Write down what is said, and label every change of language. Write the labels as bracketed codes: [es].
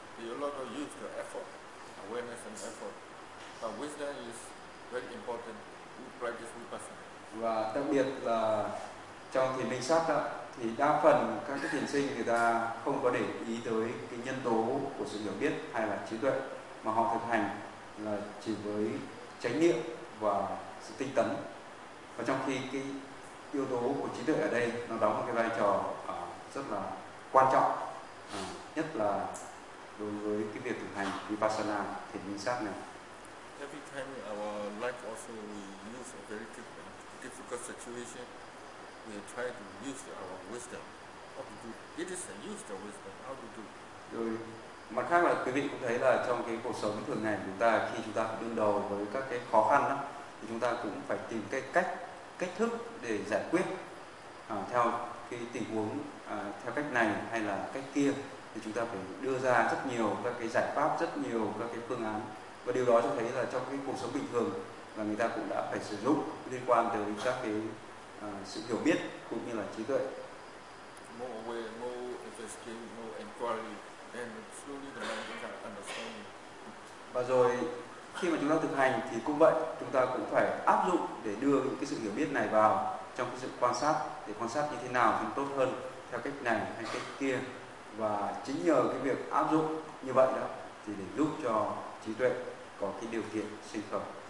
[en] They a lot of use the effort, awareness and effort. But wisdom is very important to practice vipassana. [vi] Và đặc biệt là trong thiền minh sát đó, thì đa phần các cái thiền sinh người ta không có để ý tới cái nhân tố của sự hiểu biết hay là trí tuệ, mà họ thực hành là chỉ với chánh niệm và sự tinh tấn. Và trong khi cái yếu tố của trí tuệ ở đây nó đóng một cái vai trò rất là quan trọng, nhất là đối với cái việc thực hành vipassana thiền minh sát này. [en] Every time in our life also we use a very difficult situation, we try to use our wisdom. How to do? It is a use the wisdom. How to do? [vi] Rồi mặt khác là quý vị cũng thấy là trong cái cuộc sống thường ngày chúng ta, khi chúng ta đương đầu với các cái khó khăn đó, thì chúng ta cũng phải tìm cái cách thức để giải quyết theo cái tình huống theo cách này hay là cách kia, thì chúng ta phải đưa ra rất nhiều các cái giải pháp, rất nhiều các cái phương án. Và điều đó cho thấy là trong cái cuộc sống bình thường là người ta cũng đã phải sử dụng liên quan tới các cái sự hiểu biết cũng như là trí tuệ. [en] More aware, more investigation, more inquiry, then slowly the mind can understand. [vi] Và rồi khi mà chúng ta thực hành thì cũng vậy, chúng ta cũng phải áp dụng để đưa những cái sự hiểu biết này vào trong cái sự quan sát, để quan sát như thế nào thì tốt hơn theo cách này hay cách kia. Và chính nhờ cái việc áp dụng như vậy đó thì để giúp cho trí tuệ có cái điều kiện sinh khởi.